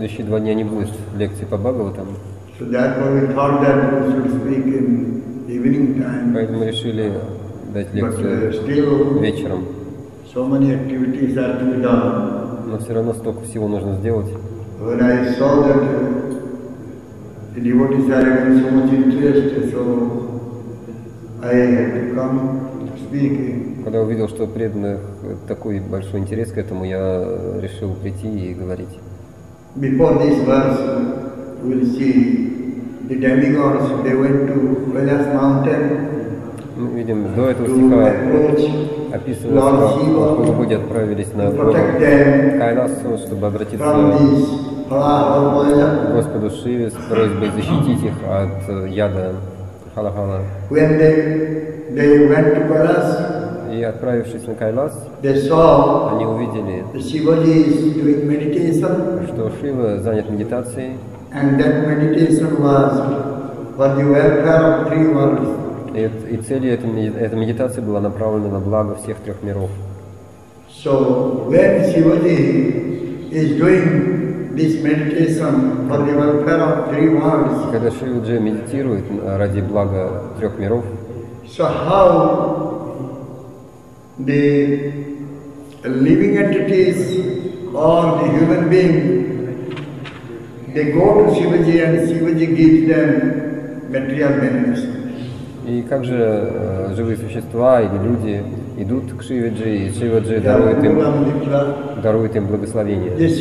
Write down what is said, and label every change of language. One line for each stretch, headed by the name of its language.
Russian: Следующие два дня не будет лекции по Бхагаватам.
English: So therefore we thought that we should speak in evening time.
Russian: Поэтому решили дать лекцию вечером.
English: So many activities are to be done.
Russian: Но все равно столько всего нужно сделать.
English: When I saw that the devotees are having so much interest, so I had to come to speak.
Russian: Когда увидел, что преданных такой большой интерес к этому, я решил прийти и говорить.
English: Before this verse, we will see. The demigods, they went to Kailas mountain.
Russian: Мы видим, до этого стиха описывается, как полубоди отправились на Кайласу, чтобы обратиться к Господу Шиве с просьбой защитить их от яда Халахала.
English: When they went to Kailas,
Russian: и отправившись на Кайлас,
English: they saw,
Russian: они увидели,
English: Shivaji is doing meditation,
Russian: что Шива занят медитацией.
English: And that meditation was for the welfare of 3 worlds.
Russian: И целью этой медитации была направлена на благо всех 3 миров.
English: So when Shivaji is doing this meditation for the welfare of 3 worlds,
Russian: когда Шиваджи медитирует ради блага 3 миров,
English: so how the living entities or the human being, they go to Shivaji and Shivaji gives them material benefits.
Russian: И как же живые существа или люди идут к Шиваджи, и Шиваджи дарует им благословение?